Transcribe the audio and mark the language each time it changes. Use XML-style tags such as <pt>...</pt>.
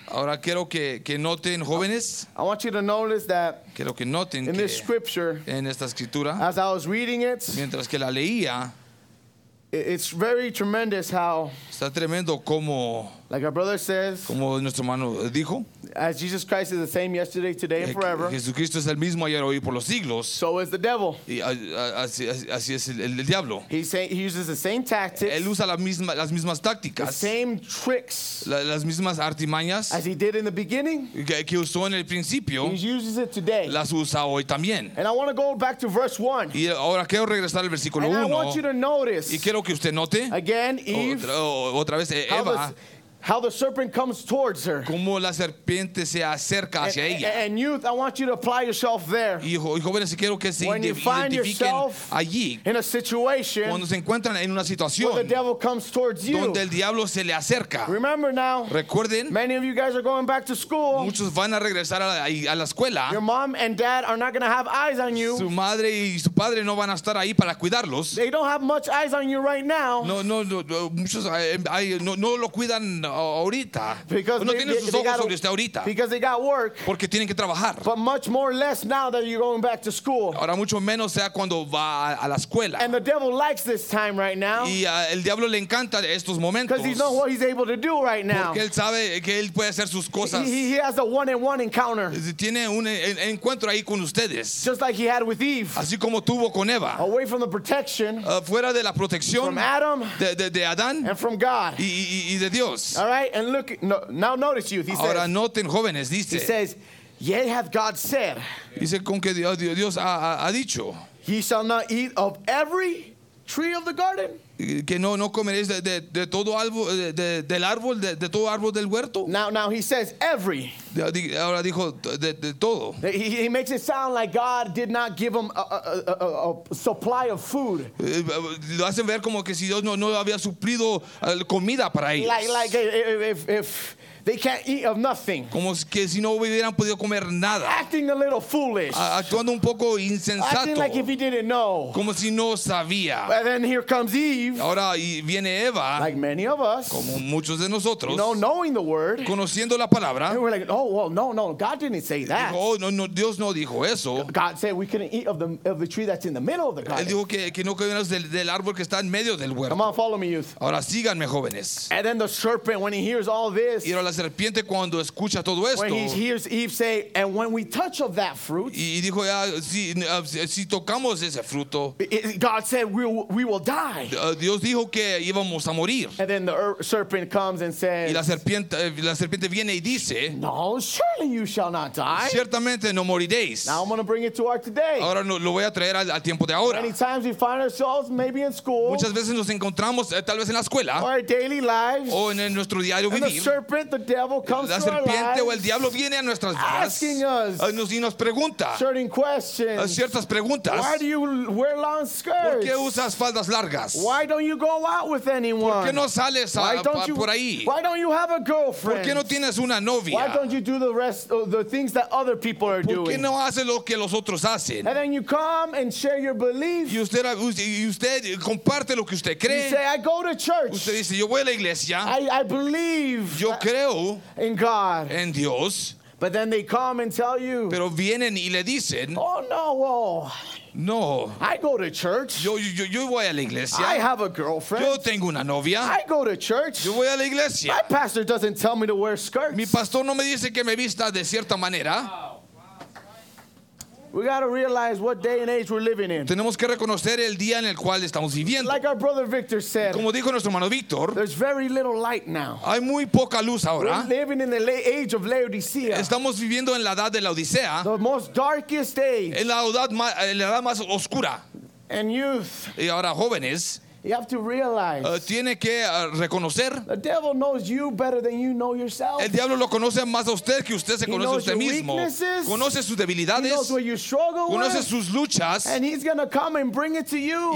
<es>Ahora quiero que noten, jóvenes.</es> <en>I want you to notice that.</en> <es>Quiero que noten</es> <en>in this scripture.</en> <es>En esta escritura.</es> <en>As I was reading it.</en> <es>Mientras que la leía.</es> <en>It's very tremendous how.</en> <es>Está tremendo como.</es> <en>Like our brother says.</en> <es>Como nuestro hermano dijo.</es> <en>As Jesus Christ is the same yesterday, today, and forever.</en> <es>Jesucristo es el mismo ayer, hoy, por los siglos.</es> <en>So is the devil.</en> <es>Y así es el diablo.</es> <en>He uses the same tactics.</en> <es>Él usa las mismas tácticas.</es> <en>The same tricks.</en> <es>Las mismas artimañas.</es> <en>As he did in the beginning.</en> <es>Que usó en el principio.</es> <en>He uses it today.</en> <es>Las usa hoy también.</es> <en>And I want to go back to verse 1.</en> <es>Y ahora quiero regresar al versículo 1.</es> <en>And I want you to notice.</en> <es>Y quiero que usted note.</es> <en>Again, Eve.</en> <es>Otra vez, Eva.</es> <en>How the serpent comes towards her.</en> <es>Como la serpiente se acerca hacia ella.</es> <en>And youth, I want you to apply yourself there.</en> <es>Y jóvenes, quiero que se identifiquen allí.</es> <en>In a situation.</en> <es>Cuando se encuentran en una situación.</es> <en>Where the devil comes towards you.</en> <es>Donde el diablo se le acerca.</es> <en>Remember now.</en> <es>Recuerden.</es> <en>Many of you guys are going back to school.</en> <es>Muchos van a regresar a la escuela.</es> <en>Your mom and dad are not going to have eyes on you.</en> <es>Su madre y su padre no van a estar ahí para cuidarlos.</es> <en>They don't have much eyes on you right now.</en> <es>No. Muchos no lo cuidan. Ahorita</es> <en>because</en> <es>no tiene sus ojos sobre usted ahorita</es> <en>because they got work,</en> <es>porque tienen que trabajar</es> <en>but much more less now that you're going back to school.</en> <es>Ahora mucho menos sea cuando va a la escuela.</es> <en>And the devil likes this time right now.</en> <es>Y el diablo le encanta estos momentos</es> <en>because he knows what he's able to do right now.</en> <es>Porque él sabe que él puede hacer sus cosas.</es> <en>He has a one-on-one encounter.</en> <es>Tiene un encuentro ahí con ustedes.</es> <en>Just like he had with Eve.</en> <es>Así como tuvo con Eva.</es> <en>Away from the protection.</en> <es>Fuera de la protección.</es> <en>From Adam.</en> <es>De Adán.</es> <en>And from God.</en> <es>Y de Dios.</es> <en>All right, and look, now notice youth, he</en> <es>ahora</es> <en>says,</en> <es>noten, jóvenes, dice,</es> <en>he says, yea hath God said,</en> <es>dice, con que Dios ha dicho,</es> <en>he shall not eat of every tree of the garden.</en> <es>Que no comeréis de todo árbol, del árbol, de todo árbol del huerto.</es> <en>Now he says every.</en> <es>Ahora dijo de todo.</es> <en>He makes it sound like God did not give him a supply of food.</en> <es>Lo hacen ver como que si Dios no había suplido comida para ellos.</es> <en>Like if they can't eat of nothing.</en> <es>Como que si no hubieran podido comer nada.</es> <en>Acting a little foolish.</en> <es>Actuando un poco insensato.</es> <en>Acting like if he didn't know.</en> <es>Como si no sabía.</es> <en>And then here comes Eve.</en> <es>Ahora viene Eva.</es> <en>Like many of us.</en> <es>Como muchos de nosotros.</es> <en>You know, knowing the word.</en> <es>Conociendo la palabra.</es> <en>And we're like, oh well, no, God didn't say that.</en> <es>Dijo, no, Dios no dijo eso.</es> <en>God said we couldn't eat of the tree that's in the middle of the garden.</en> <es>Él dijo que no comieras del árbol que está en medio del huerto.</es> <en>Come on, follow me, youth.</en> <es>Ahora síganme, jóvenes.</es> <en>And then the serpent, when he hears all this.</en> <es>Serpiente cuando escucha todo esto.</es> <en>When he hears Eve say, and when we touch of that fruit.</en> <es>Y dijo ya si tocamos ese fruto.</es> <en>God said we will die.</en> <es>Dios dijo que íbamos a morir.</es> <en>And then the serpent comes and says.</en> <es>Y la serpiente viene y dice.</es> <en>No, surely you shall not die.</en> <es>Ciertamente no moriréis.</es> <en>Now I'm going to bring it to our today.</en> <es>Ahora lo voy a traer al tiempo de ahora.</es> <en>Many times we find ourselves maybe in school.</en> <es>Muchas veces nos encontramos tal vez en la escuela.</es> <en>Our daily lives.</en> <es>O en nuestro diario vivir.</es> <en>The serpent. The devil comes</en> <es>la serpiente o el diablo viene a nuestras vidas y nos pregunta</es> <en>certain questions.</en> <es>Ciertas preguntas.</es> <en>Why do you wear long skirts?</en> <es>¿Por qué usas faldas largas?</es> <en>Why don't you go out with anyone?</en> <es>¿Por qué no sales por ahí?</es> <en>Why don't you have a girlfriend?</en> <es>¿Por qué no tienes una novia?</es> <en>Why don't you do the rest of the things that other people are doing?</en> <es>¿Por qué no haces lo que los otros hacen?</es> <en>And then you come and share your beliefs.</en> <es>Y usted comparte lo que usted cree.</es> <en>You say, I go to church.</en> <es>Usted dice, yo voy a la iglesia.</es> <en>I believe.</en> <es>Yo creo</es> <en>in God.</en> <es>En Dios.</es> <en>But then they come and tell you.</en> <es>Pero vienen y le dicen.</es> <en>Oh no, oh.</en> <es>No.</es> <en>I go to church.</en> <es>Yo voy a la iglesia.</es> <en>I have a girlfriend.</en> <es>Yo tengo una novia.</es> <en>I go to church.</en> <es>Yo voy a la iglesia.</es> <en>My pastor doesn't tell me to wear skirts.</en> <es>Mi pastor no me dice que me vista de cierta manera.</es> <en>We got to realize what day and age we're living in.</en> <es>Tenemos que reconocer el día en el cual estamos viviendo.</es> <en>Like our brother Victor said.</en> <es>Como dijo nuestro hermano Victor.</es> <en>There's very little light now.</en> <es>Hay muy poca luz ahora.</es> <en>We're living in the age of Laodicea.</en> <es>Estamos viviendo en la edad de la Odisea.</es> <en>The most darkest age.</en> <es>En la edad más oscura.</es> <en>And youth.</en> <es>Y ahora jóvenes.</es> <en>You have to realize.</en> <es>Tiene que reconocer.</es> <en>The devil knows you better than you know yourself.</en> <es>El diablo lo conoce más a usted que usted se conoce a usted mismo. Conoce sus debilidades.</es> <en>He knows what you struggle with.</en> <es>Conoce sus luchas.</es> <en>And he's gonna come and bring it to you.</en>